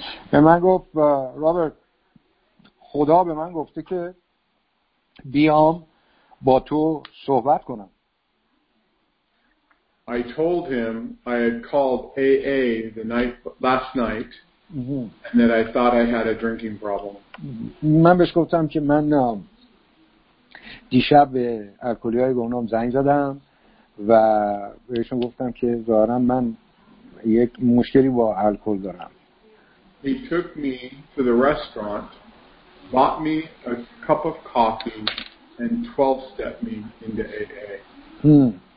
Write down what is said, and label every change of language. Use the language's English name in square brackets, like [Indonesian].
[Persian] به من گفت رابرت خدا به من گفته که بیام با تو صحبت کنم. [English] I told him I had called AA the night last night and that I thought I had a drinking problem. [Persian] من بهش گفتم که من دیشب به الکلی‌های گناهم زنگ زدم و بهشون گفتم که ظاهرا من یک مشکلی با الکل دارم. [English] He took me to the restaurant, bought me a cup of coffee and 12 stepped me into AA.